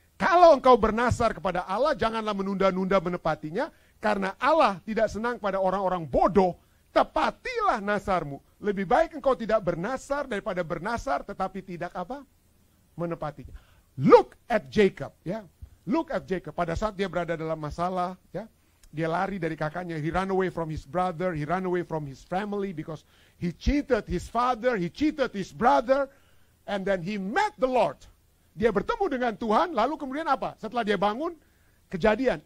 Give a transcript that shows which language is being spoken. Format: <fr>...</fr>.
<id>Kalau engkau bernazar kepada Allah, janganlah menunda-nunda menepatinya, karena Allah tidak senang pada orang-orang bodoh. Tepatilah nasarmu. Lebih baik engkau tidak bernasar daripada bernasar tetapi tidak apa? Menepatinya.</id> <en>Look at Jacob, ya. Look at Jacob.</en> <id>Pada saat dia berada dalam masalah, ya. Dia lari dari kakaknya.</id> <en>He ran away from his brother. He ran away from his family because he cheated his father. He cheated his brother. And then he met the Lord.</en> <id>Dia bertemu dengan Tuhan. Lalu kemudian apa? Setelah dia bangun, kejadian.</id>